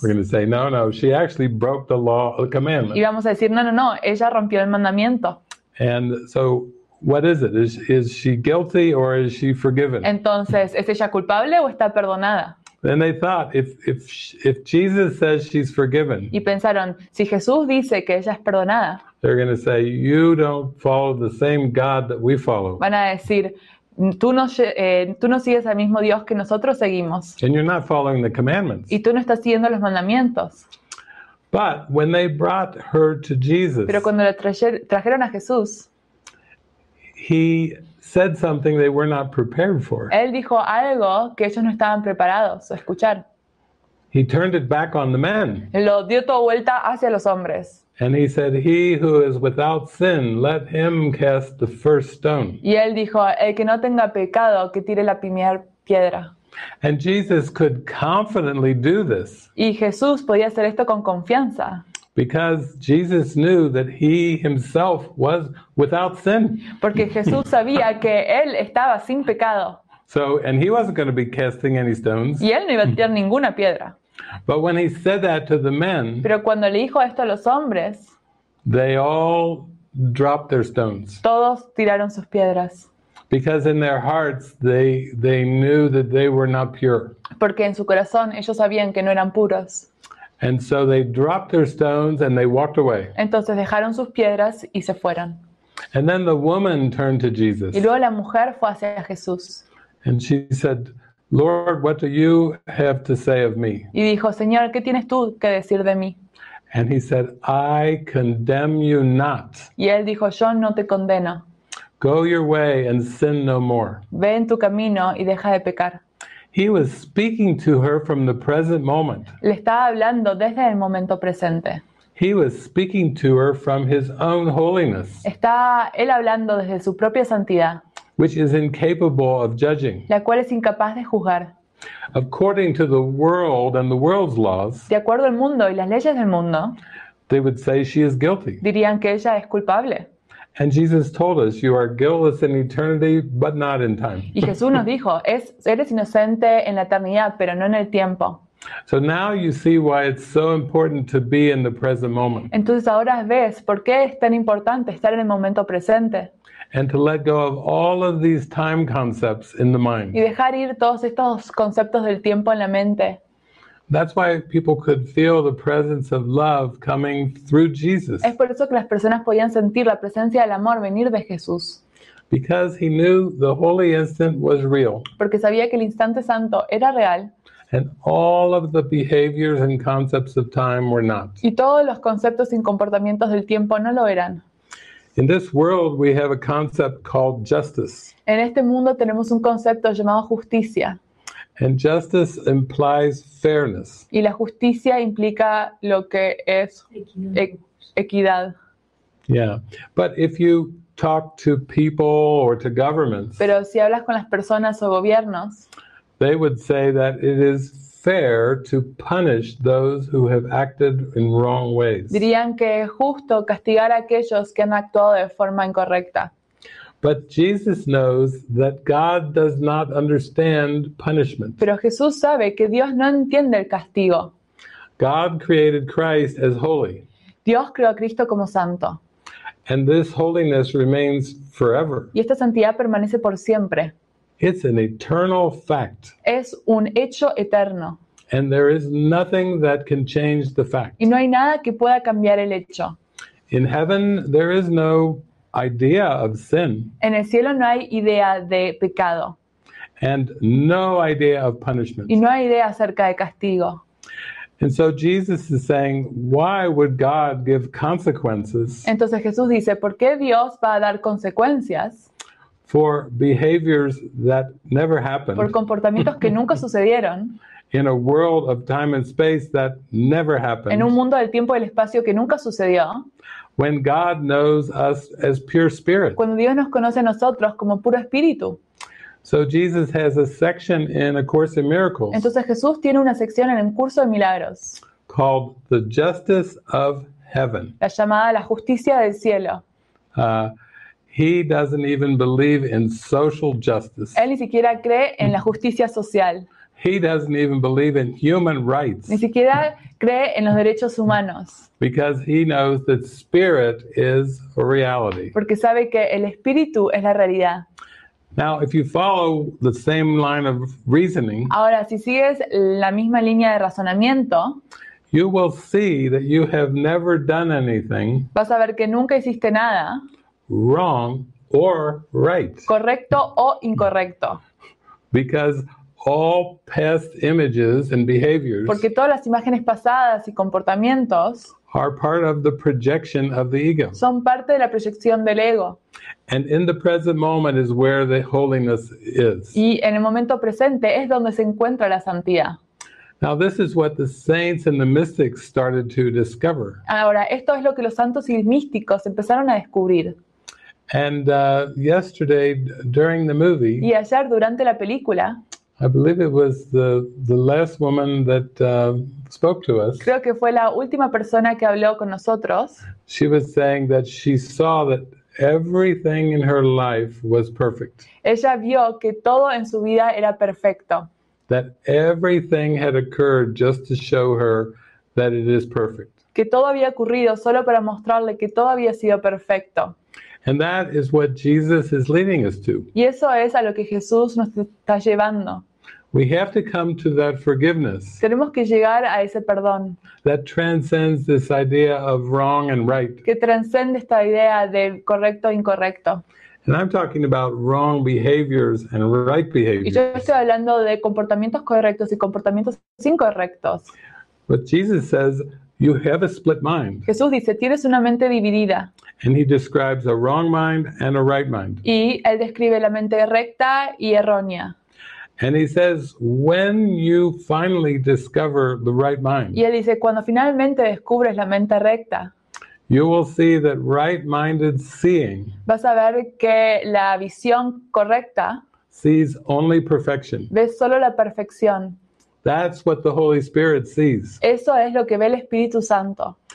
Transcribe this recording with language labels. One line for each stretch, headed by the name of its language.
English: We're going to say, no, no, she actually broke the law, the commandment.
Spanish: Y vamos a decir, no, no, no, ella rompió el mandamiento.
English: And so what is it? Is she guilty or is she forgiven?
Spanish: Entonces, ¿es ella culpable o está perdonada?
English: Then they thought, if Jesus says she's forgiven.
Spanish: Y pensaron, si Jesús dice que ella es perdonada.
English: They're going to say, you don't follow the same God that we follow.
Spanish: Van a decir, tú no sigues al mismo Dios que nosotros seguimos.
English: And you're not following the commandments.
Spanish: Y tú no estás siguiendo los mandamientos.
English: But when they brought her to Jesus.
Spanish: Pero cuando la trajeron a Jesús.
English: He said something they were not prepared for.
Spanish: Él dijo algo que ellos no estaban preparados a escuchar.
English: He turned it back on the men.
Spanish: Lo dio toda vuelta hacia los hombres.
English: And he said, "He who is without sin, let him cast the first stone."
Spanish: Y él dijo, el que no tenga pecado, que tire la primera piedra.
English: And Jesus could confidently do this.
Spanish: Y Jesús podía hacer esto con confianza.
English: Because Jesus knew that he himself was without sin.
Spanish: Porque Jesús sabía que él estaba sin pecado.
English: So, and he wasn't going to be casting any stones.
Spanish: Y él no iba a tirar ninguna piedra.
English: But when he said that to the men,
Spanish: pero cuando le dijo esto a los hombres,
English: they all dropped their stones.
Spanish: Todos tiraron sus piedras.
English: Because in their hearts they knew that they were not pure.
Spanish: Porque en su corazón ellos sabían que no eran puros.
English: And so they dropped their stones and they walked away.
Spanish: Entonces dejaron sus piedras y se fueron.
English: And then the woman turned to Jesus.
Spanish: Y luego la mujer fue hacia Jesús.
English: And she said, "Lord, what do you have to say of me?"
Spanish: Y dijo, "Señor, ¿qué tienes tú que decir de mí?"
English: And he said, "I condemn you not."
Spanish: Y él dijo, "Yo no te condeno."
English: "Go your way and sin no more."
Spanish: Ve en tu camino y deja de pecar.
English: He was speaking to her from the present moment.
Spanish: Le estaba hablando desde el momento presente.
English: He was speaking to her from his own holiness.
Spanish: Está él hablando desde su propia santidad.
English: Which is incapable of judging.
Spanish: La cual es incapaz de juzgar.
English: According to the world and the world's laws.
Spanish: De acuerdo al mundo y las leyes del mundo.
English: They would say she is guilty.
Spanish: Dirían que ella es culpable.
English: And Jesus told us, "You are guiltless in eternity, but not in time."
Spanish: Y Jesús nos dijo, eres inocente en la eternidad, pero no en el tiempo.
English: So now you see why it's so important to be in the present moment.
Spanish: Entonces ahora ves por qué es tan importante estar en el momento presente.
English: And to let go of all of these time concepts in the mind.
Spanish: Y dejar ir todos estos conceptos del tiempo en la mente.
English: That's why people could feel the presence of love coming through Jesus.
Spanish: Es por eso que las personas podían sentir la presencia del amor venir de Jesús.
English: Because he knew the holy instant was real.
Spanish: Porque sabía que el instante santo era real.
English: And all of the behaviors and concepts of time were not.
Spanish: Y todos los conceptos y comportamientos del tiempo no lo eran.
English: In this world we have a concept called justice.
Spanish: En este mundo tenemos un concepto llamado justicia.
English: And justice implies fairness.
Spanish: Y la justicia implica lo que es equidad.
English: Yeah. But if you talk to people or to governments,
Spanish: pero si hablas con las personas o gobiernos,
English: they would say that it is fair to punish those who have acted in wrong ways.
Spanish: Dirían que es justo castigar a aquellos que han actuado de forma incorrecta.
English: But Jesus knows that God does not understand punishment.
Spanish: Pero Jesús sabe que Dios no entiende el castigo.
English: God created Christ as holy.
Spanish: Dios creó a Cristo como santo.
English: And this holiness remains forever.
Spanish: Y esta santidad permanece por siempre.
English: It's an eternal fact.
Spanish: Es un hecho eterno.
English: And there is nothing that can change the fact.
Spanish: Y no hay nada que pueda cambiar el hecho.
English: In heaven there is no idea of sin.
Spanish: En el cielo no hay idea de pecado.
English: And no idea of punishment.
Spanish: Y no hay idea acerca de castigo.
English: And so Jesus is saying, why would God give consequences?
Spanish: Entonces Jesús dice, ¿por qué Dios va a dar consecuencias?
English: For behaviors that never happened.
Spanish: Por comportamientos que nunca sucedieron.
English: In a world of time and space that never happened.
Spanish: En un mundo del tiempo y el espacio que nunca sucedió.
English: When God knows us as pure spirit.
Spanish: Cuando Dios nos conoce a nosotros como puro espíritu.
English: So Jesus has a section in A Course in Miracles.
Spanish: Entonces Jesús tiene una sección en el Curso de Milagros.
English: Called the Justice of Heaven.
Spanish: La llamada la justicia del cielo.
English: He doesn't even believe in social justice.
Spanish: Él ni siquiera cree en la justicia social.
English: He doesn't even believe in human rights.
Spanish: Ni siquiera cree en los derechos humanos.
English: Because he knows that spirit is a reality.
Spanish: Porque sabe que el espíritu es la realidad.
English: Now, if you follow the same line of reasoning,
Spanish: ahora, si sigues la misma línea de razonamiento,
English: you will see that you have never done anything,
Spanish: vas a ver que nunca hiciste nada,
English: wrong or right,
Spanish: correcto o incorrecto,
English: because all past images and behaviors,
Spanish: porque todas las imágenes pasadas y comportamientos,
English: are part of the projection of the ego.
Spanish: Son parte de la proyección del ego.
English: And in the present moment is where the holiness is.
Spanish: Y en el momento presente es donde se encuentra la santidad.
English: Now this is what the saints and the mystics started to discover.
Spanish: Ahora, esto es lo que los santos y místicos empezaron a descubrir.
English: And yesterday during the movie,
Spanish: y ayer durante la película,
English: I believe it was the last woman that spoke to us.
Spanish: Creo que fue la última persona que habló con nosotros.
English: She was saying that she saw that everything in her life was perfect.
Spanish: Ella vio que todo en su vida era perfecto.
English: That everything had occurred just to show her that it is perfect.
Spanish: Que todo había ocurrido solo para mostrarle que todo había sido perfecto.
English: And that is what Jesus is leading us to.
Spanish: Y eso es a lo que Jesús nos está llevando.
English: We have to come to that forgiveness.
Spanish: Tenemos que llegar a ese perdón.
English: That transcends this idea of wrong and right.
Spanish: Que transcende esta idea de correcto e incorrecto.
English: And I'm talking about wrong behaviors and right behaviors.
Spanish: Y yo estoy hablando de comportamientos correctos y comportamientos incorrectos.
English: But Jesus says, you have a split mind.
Spanish: Jesús dice, tienes una mente dividida.
English: And he describes a wrong mind and a right mind.
Spanish: Y él describe la mente recta y errónea.
English: And he says, when you finally discover the right mind.
Spanish: Y él dice, cuando finalmente descubres la mente recta.
English: You will see that right-minded seeing.
Spanish: Vas a ver que la visión correcta
English: sees only perfection.
Spanish: Ve solo la perfección.
English: That's what the Holy Spirit sees.
Spanish: Eso es lo que ve el Espíritu Santo.